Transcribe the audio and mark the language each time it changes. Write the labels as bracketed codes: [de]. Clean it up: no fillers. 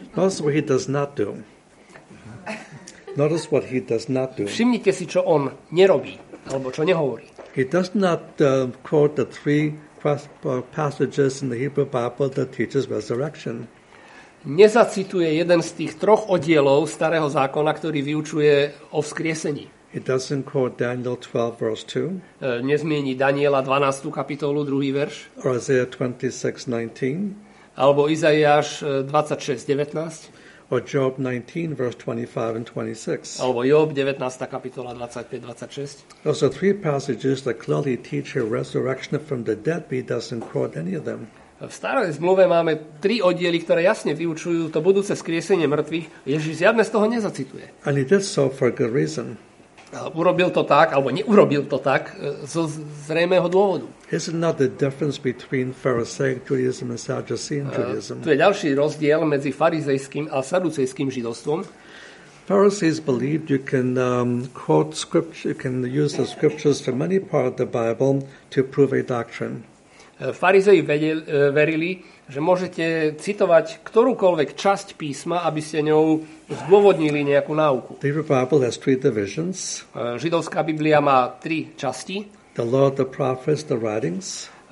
[en] Notice what he does not do. Notice what he does not do. [sk] Všimnite si, čo on nerobí, alebo čo nehovorí. [en] He does not quote the three passages in the Hebrew Bible that teaches resurrection. [sk] Nezacituje jeden z tých troch oddielov starého zákona, ktorý vyučuje o vzkriesení. [en] He doesn't quote Daniel 12 verse 2. [sk] Nezmieni Daniela 12. kapitolu 2. verš. [en] Or Isaiah 26:19. [sk] Alebo Izaiáš 26:19. [en] Or Job 19 verse 25 and 26. [sk] Alebo Job 19. kapitola 25-26. [en] Those are three passages that clearly teach a resurrection from the dead, but he doesn't quote any of them. [sk] V starej zmluve máme tri oddiely, ktoré jasne vyučujú to budúce skriesenie mŕtvych. Ježiš žiadne z toho nezacituje. [en] And he did so for a good reason. [sk] Urobil to tak, alebo neurobil to tak, zo zrejmého dôvodu. [en] Isn't that the difference between Pharisaic Judaism and Sadducean Judaism? [sk] To je ďalší rozdiel medzi farizejským a saducejským židovstvom. [en] Pharisees believed you can quote scripture, you can use the scriptures from any part of the Bible to prove a doctrine. [sk] Farizei verili, že môžete citovať ktorúkoľvek časť písma, aby ste ňou zdôvodnili nejakú náuku. [en] The Bible has three divisions. [sk] Židovská Biblia má tri časti. [en] The law, the prophets, the writings.